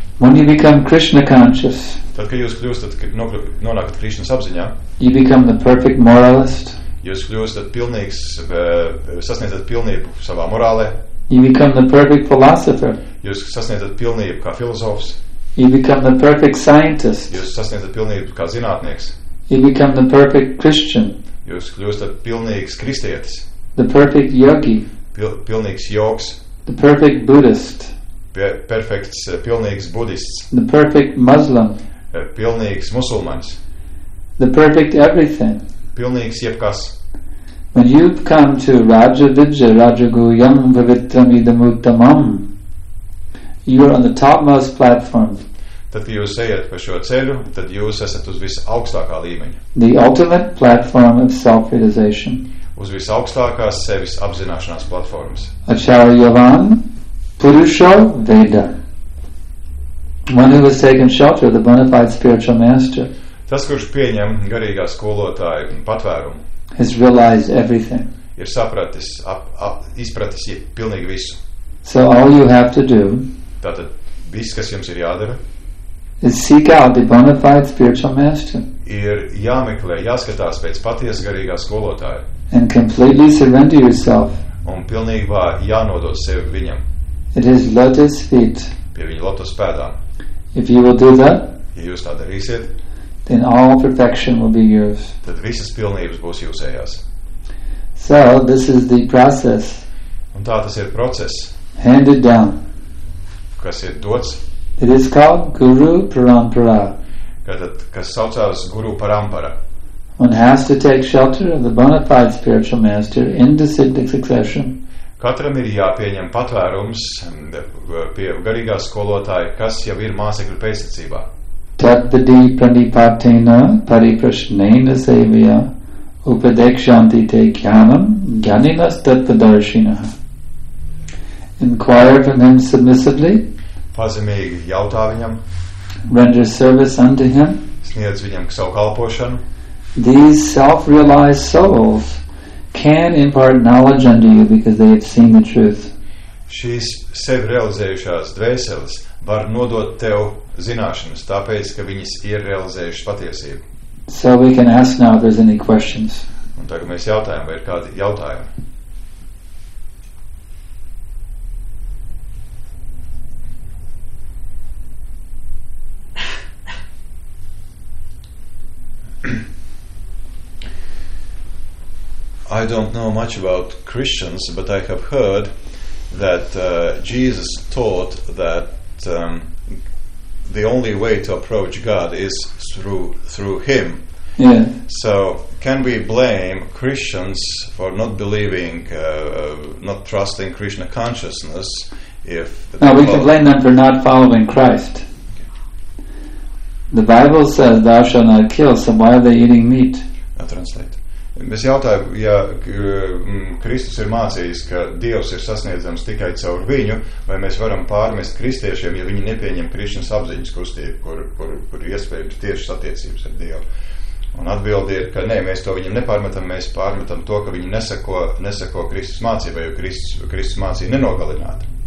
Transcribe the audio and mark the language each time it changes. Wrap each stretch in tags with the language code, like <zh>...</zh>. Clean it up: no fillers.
<en>When you become Krishna conscious,</en> <lv>tad, kad jūs kļūstat, nonākat Krishna apziņā,</lv> <en>you become the perfect moralist.</en> <lv>Jūs kļūstat pilnīgs, sasniedzat pilnību savā morālē.</lv> <en>You become the perfect philosopher.</en> <lv>Jūs sasniedzat pilnību kā filozofs.</lv> <en>You become the perfect scientist.</en> <lv>Jūs sasniedzat pilnību kā zinātnieks.</lv> <en>You become the perfect Christian.</en> <lv>Jūs kļūstat pilnīgs kristietis.</lv> <en>The perfect yogi.</en> <lv>Pilnīgs jogs.</lv> <en>The perfect Buddhist.</en> <lv>Perfekts, pilnīgs budists.</lv> <en>The perfect Muslim.</en> <lv>Pilnīgs musulmans.</lv> <en>The perfect everything.</en> <lv>Pilnīgs jebkas.</lv> <en>When you come to</en> <sa>Raja Vidya, Raja Guyam Vavitram Idamuttamam,</sa> <en>you are on the topmost platform.</en> <lv>Tad, kad jūs ejat pa šo ceļu, tad jūs esat uz visaugstākā līmeņa.</lv> <en>The ultimate platform of self-realization.</en> <lv>Uz visaugstākās sevis apzināšanās platformas.</lv> <sa>Acharya Van Purusha Veda.</sa> <en>One who has taken shelter of the bona fide spiritual master.</en> <lv>Tas, kurš pieņem garīgā skolotāja patvērumu,</lv> <en>has realized everything.</en> <lv>Ir sapratis, izpratis pilnīgi visu.</lv> <en>So all you have to do,</en> <lv>tātad viss, kas jums ir jādara,</lv> <en>is seek out the bona fide spiritual master.</en> <lv>Ir jāmeklē, jāskatās pēc patiesa garīgā skolotāja.</lv> <en>And completely surrender yourself.</en> <lv>Un pilnībā jānodod sevi viņam.</lv> <en>At his lotus feet.</en> <lv>Pie viņa lotus pēdām.</lv> <en>If you will do that,</en> <lv>ja jūs tā darīsiet,</lv> <en>then all perfection will be yours.</en> <lv>Tad visas pilnības būs jūsējās.</lv> <en>So, this is the process.</en> <lv>Un tā tas ir process.</lv> <en>Handed down.</en> <lv>Kas ir dots.</lv> <en>It is called Guru Parampara.</en> <lv>Kas saucās Guru Parampara.</lv> <en>One has to take shelter of the bona fide spiritual master in descending succession.</en> <lv>Katram ir jāpieņem patvērums pie garīgā skolotāja, kas jau ir māsekļu pēcnācībā.</lv> <sa>Tadbadī pranipātena pariprasnēna sevijā upadekšanti te kjānam gyaninas tadpadarshinā.</sa> <en>Inquire from him submissively.</en> <lv>Pazemīgi jautā viņam.</lv> <en>Render service unto him.</en> <lv>Sniedz viņam savu kalpošanu.</lv> <en>These self-realized souls can impart knowledge unto you because they have seen the truth.</en> <lv>Šīs sevi realizējušās dvēseles var nodot tev zināšanas, tāpēc, ka viņas ir realizējušas patiesību.</lv> <en>So we can ask now if there's any questions.</en> <lv>Un tagad mēs jautājam, vai ir kādi jautājumi.</lv> <en>I don't know much about Christians, but I have heard that Jesus taught that the only way to approach God is through him. Yeah. So can we blame Christians for not believing, not trusting Krishna consciousness? If no, we can blame them for not following Christ. The Bible says, thou shalt not kill, so why are they eating meat? I'll translate.</en> <lv>Es jautāju, ja Kristus ir mācījis, ka Dievs ir sasniedzams tikai caur viņu, vai mēs varam pārmest kristiešiem, ja viņi nepieņem Krišņas apziņas kustību, kur iespējams tieši satiecības ar Dievu. Un atbildi ir, ka nē, mēs to viņam nepārmetam, mēs pārmetam to, ka viņi nesako Kristus mācībai, jo Kristus mācīja nenogalināt.</lv>